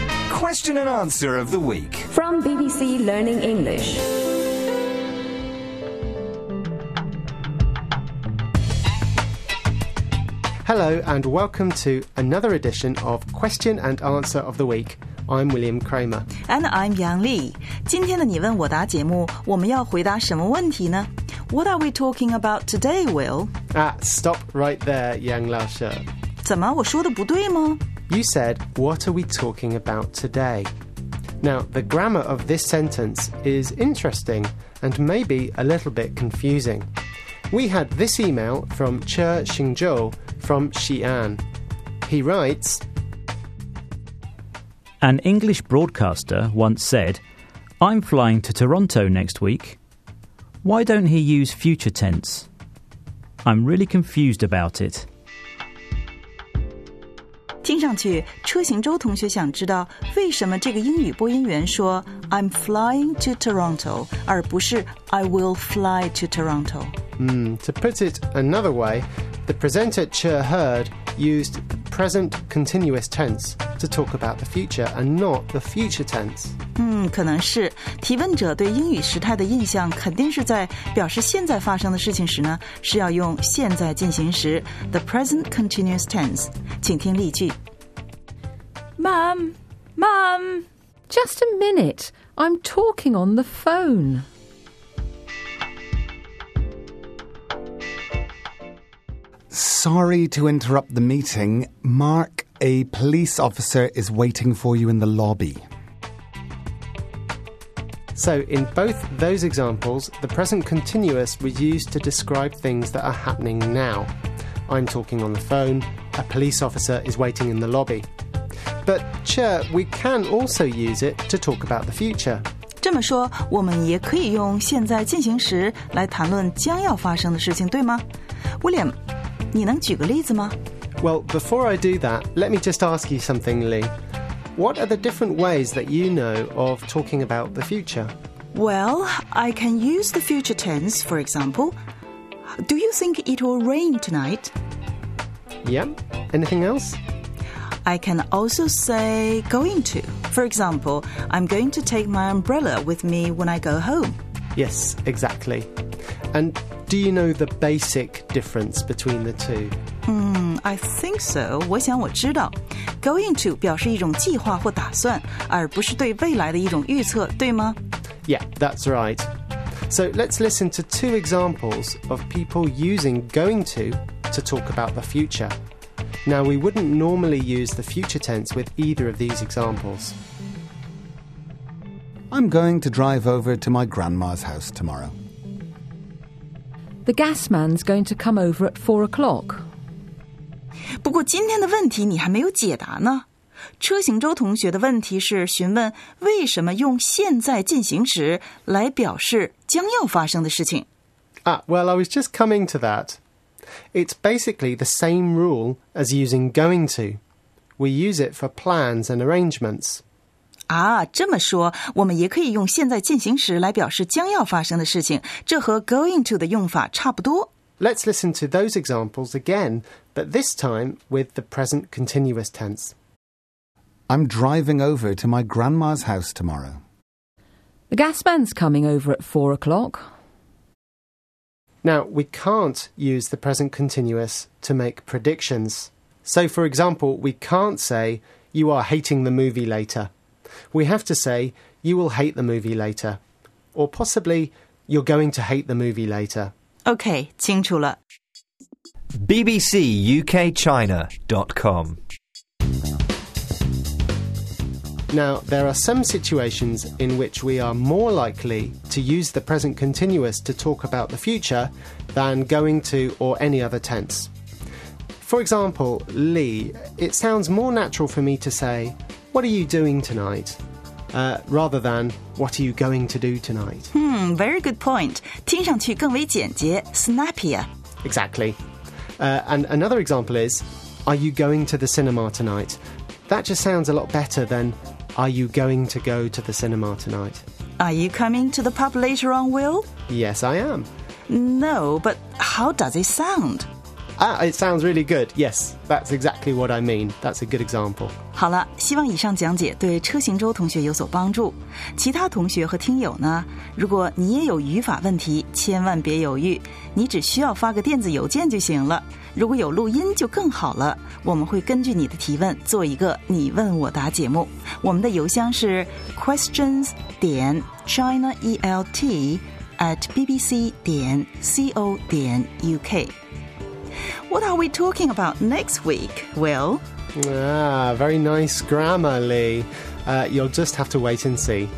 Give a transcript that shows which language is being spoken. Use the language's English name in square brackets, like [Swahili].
[English] Question and answer of the week from BBC Learning English. Hello and welcome to another edition of Question and Answer of the Week. I'm William Cramer. And I'm Yang Li. [Chinese] 今天的你问我答节目，我们要回答什么问题呢？ [English] What are we talking about today, Will? Stop right there, Yang 老师。 [Chinese] 怎么，我说的不对吗？ [English] You said, what are we talking about today? Now, the grammar of this sentence is interesting and maybe a little bit confusing. We had this email from Che Xingzhou from Xi'an. He writes, An English broadcaster once said, I'm flying to Toronto next week. Why don't he use future tense? I'm really confused about it. [Chinese] 听上去，车行周同学想知道为什么这个英语播音员说 [English] I'm flying to Toronto, [Chinese] 而不是 [English] I will fly to Toronto. To put it another way, the presenter Che heard used the present continuous tense to talk about the future and not the future tense. [Chinese] 可能是提问者对英语时态的印象肯定是在表示现在发生的事情时呢是要用现在进行时 [English] The present continuous tense [Chinese] 请听例句 [English] Mom, Just a minute, I'm talking on the phone Sorry to interrupt the meeting Mark, a police officer is waiting for you in the lobby So, in both those examples, the present continuous was used to describe things that are happening now. I'm talking on the phone, a police officer is waiting in the lobby. But, sure, we can also use it to talk about the future. [Chinese] 这么说，我们也可以用现在进行时来谈论将要发生的事情，对吗？ William, 你能举个例子吗？ [English] Well, before I do that, let me just ask you something, Lee. What are the different ways that you know of talking about the future? Well, I can use the future tense, for example. Do you think it will rain tonight? Yeah. Anything else? I can also say going to. For example, I'm going to take my umbrella with me when I go home. Yes, exactly. And do you know the basic difference between the two? I think so. [Chinese] 我想我知道。 Going to 表示一种计划或打算，而不是对未来的一种预测，对吗？ [English] Yeah, that's right. So let's listen to two examples of people using going to talk about the future. Now, we wouldn't normally use the future tense with either of these examples. I'm going to drive over to my grandma's house tomorrow. The gas man's going to come over at 4 o'clock. [Chinese] 不过今天的问题你还没有解答呢。车行周同学的问题是询问为什么用现在进行时来表示将要发生的事情。 [English] Well, I was just coming to that. It's basically the same rule as using going to. We use it for plans and arrangements. [Chinese] 这么说，我们也可以用现在进行时来表示将要发生的事情，这和 going to 的用法差不多。 [English] Let's listen to those examples again, but this time with the present continuous tense. I'm driving over to my grandma's house tomorrow. The gas man's coming over at 4 o'clock. Now, we can't use the present continuous to make predictions. So, for example, we can't say, you are hating the movie later. We have to say, you will hate the movie later. Or possibly, you're going to hate the movie later. [Chinese] Okay, 清楚了。 [English] BBCUKChina.com Now, there are some situations in which we are more likely to use the present continuous to talk about the future than going to or any other tense. For example, Lee, it sounds more natural for me to say, what are you doing tonight? Rather than, what are you going to do tonight? Very good point. [Chinese] 听上去更为简洁 snappier. [English] Exactly. And another example is, are you going to the cinema tonight? That just sounds a lot better than, are you going to go to the cinema tonight? Are you coming to the pub later on, Will? Yes, I am. No, but how does it sound? Ah, it sounds really good. Yes, that's exactly what I mean. That's a good example. [Chinese] 好了，希望以上讲解对车行舟同学有所帮助。其他同学和听友呢，如果你也有语法问题，千万别犹豫，你只需要发个电子邮件就行了。如果有录音就更好了，我们会根据你的提问做一个你问我答节目。我们的邮箱是 questions.chinaelt@bbc.co.uk. [English] What are we talking about next week, Will? Ah, very nice grammar, Lee. You'll just have to wait and see.